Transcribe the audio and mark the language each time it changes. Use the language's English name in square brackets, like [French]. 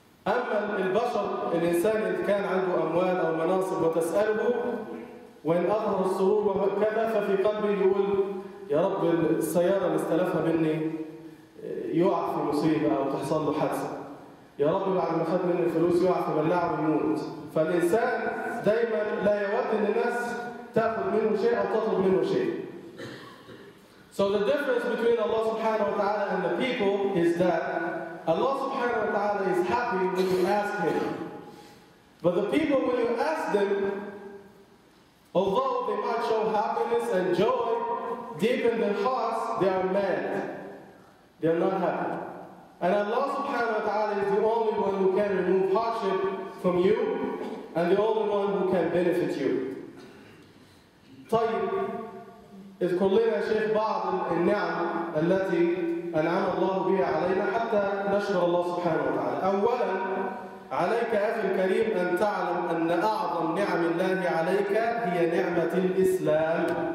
[Arabic] أما البشر الإنسان إذا كان عنده أموال أو مناصب وتسأله وإن أظهر السرور وكذا ففي قلبه يقول يا رب السيارة اللي استلفها مني يقع في مصيبة أو تحصل له حادثة، يا رب بعد ما خد مني الفلوس يقع في بلاعة ويموت. فالإنسان دايما لا يود إن الناس تأخذ منه شيء أو تطلب منه شيء. [English] So the difference between Allah subhanahu wa ta'ala and the people is that Allah subhanahu wa ta'ala is happy when you ask Him. But the people, when you ask them, although they might show happiness and joy, deep in their hearts, they are mad. They are not happy. And Allah subhanahu wa ta'ala is the only one who can remove hardship from you and the only one who can benefit you. [Arabic] طيب إذ كلنا شيخ بعض النعم التي أنعم الله بها علينا حتى نشكر الله سبحانه وتعالى. أولا عليك أخي الكريم أن تعلم أن أعظم نعم الله عليك هي نعمة الإسلام.